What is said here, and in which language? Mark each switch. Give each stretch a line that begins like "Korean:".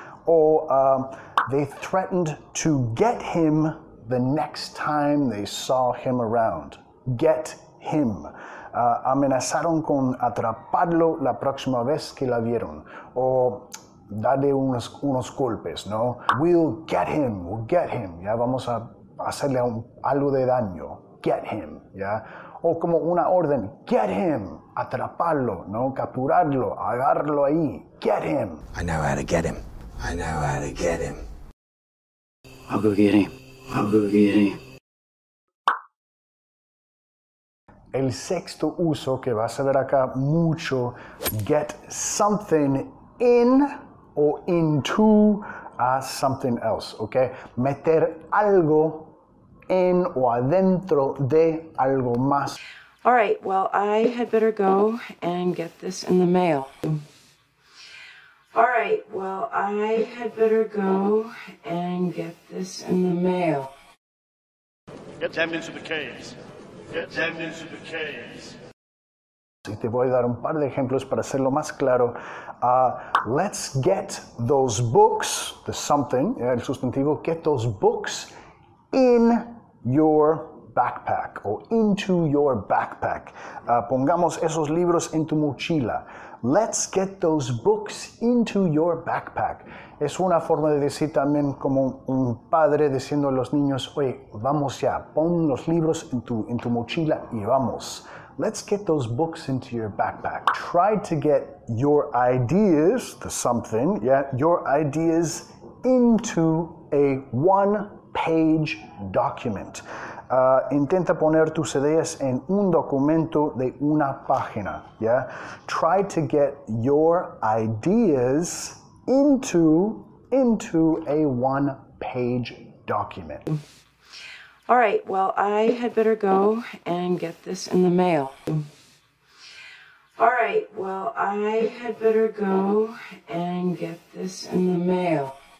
English: Or they threatened to get him the next time they saw him around. Get him.
Spanish: Amenazaron con atraparlo la próxima vez que la vieron. Or darle unos golpes, no?
English: We'll get him. We'll get him.
Spanish: Ya vamos a hacerle algo de daño.
English: Get him, ¿ya?
Spanish: O como una orden,
English: get him,
Spanish: atraparlo, ¿no? Capturarlo, agarrarlo ahí,
English: get him. I know how to get him. I know how to get him. I'll go get him. I'll go get him.
Spanish: El sexto uso que vas a ver acá mucho,
English: get something in or into something else,
Spanish: ¿ok? Meter algo en o adentro de algo más.
English: All right, well, I had better go and get this in the mail. All right, well, I had better go and get this in the mail. Get them into the caves. Get them into the caves.
Spanish: Y te voy a dar un par de ejemplos para hacerlo más claro.
English: Let's get those books, the something,
Spanish: el sustantivo,
English: get those books in your backpack, or into your backpack.
Spanish: Pongamos esos libros en tu mochila.
English: Let's get those books into your backpack.
Spanish: Es una forma de decir también como un padre diciendo a los niños, oye, vamos ya, pon los libros en tu mochila y vamos.
English: Let's get those books into your backpack. Try to get your ideas, the something, yeah, your ideas into a one page document.
Spanish: Intenta poner tus ideas en un documento de una página, yeah?
English: Try to get your ideas into a one page document. All right, well, I had better go and get this in the mail. All right, well, I had better go and get this in the mail.